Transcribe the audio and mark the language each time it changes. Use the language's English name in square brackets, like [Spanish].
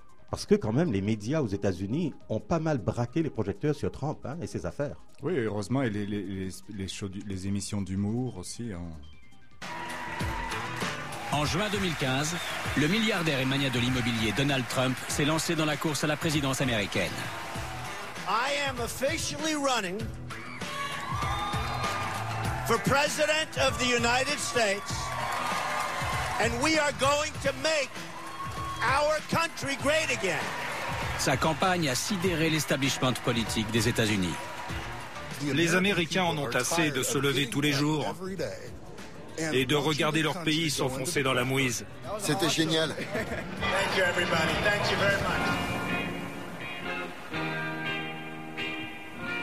[French] Parce que quand même, les médias aux États-Unis ont pas mal braqué les projecteurs sur Trump hein, et ses affaires. Oui, heureusement, et les émissions d'humour aussi. Hein. En juin 2015, le milliardaire et mania de l'immobilier Donald Trump s'est lancé dans la course à la présidence américaine. [English] I am officially running for President of the United States, and we are going to make our country great again. [French] Sa campagne a sidéré l'establishment politique des États-Unis. Les Américains en ont assez de se lever tous les jours et de regarder leur pays s'enfoncer dans la mouise. C'était génial. [English] Thank you, everybody. Thank you very much.